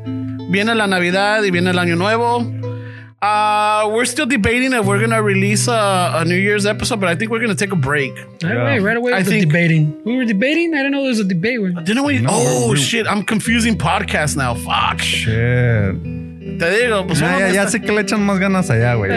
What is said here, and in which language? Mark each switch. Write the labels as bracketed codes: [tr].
[es] Viene la Navidad y viene el Año Nuevo. [en] We're still debating if we're going to release a New Year's episode, but I think we're going to take a break. Right away, we were debating. I don't know, there's a debate. Didn't we? No, oh, shit. I'm confusing podcasts now. Fuck. Shit. [es] Te digo, pues nah, ya sé que le echan más ganas allá, güey.